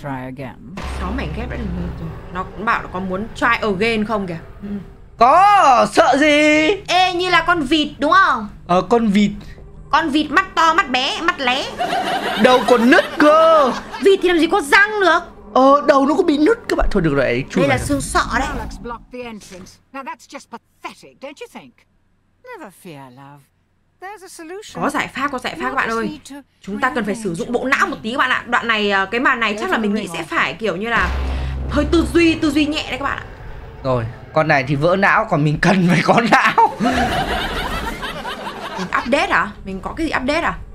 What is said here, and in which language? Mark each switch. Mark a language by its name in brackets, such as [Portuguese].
[Vietnamese] 6 mảnh ghép đã được rồi. Nó cũng bảo là có muốn [English] try again [Vietnamese] không kìa. Có, sợ gì. Ê, như là con vịt đúng không? Ờ, con vịt. Con vịt mắt to, mắt bé, mắt lé. Đầu còn nứt cơ. Vịt thì làm gì có răng được. Ờ, đầu nó có bị nứt các bạn. Thôi được rồi, chui. Đây là xương sọ đấy. [English] Alex blocked the entrance. Now that's just pathetic, don't you think? Never fear, love. [Vietnamese] Có giải pháp các bạn ơi. Chúng ta cần phải sử dụng bộ não một tí các bạn ạ. Đoạn này, cái màn này chắc là mình nghĩ sẽ phải kiểu như là hơi tư duy nhẹ đấy các bạn ạ. Rồi, con này thì vỡ não, còn mình cần phải có não. Mình update à? Mình có cái gì update à?